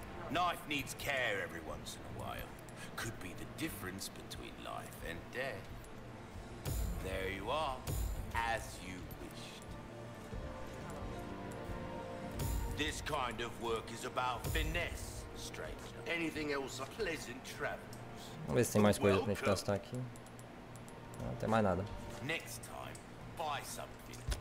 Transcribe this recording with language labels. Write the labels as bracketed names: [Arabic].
[English] Knife needs care every once in a while. Could be the difference between life and death. There you are, as you wished. This kind of work is about finesse, stranger. Anything else a pleasant travel. [Portuguese] Vamos ver se tem mais coisa pra gente gastar aqui. Não tem mais nada. [English] Next time, buy something.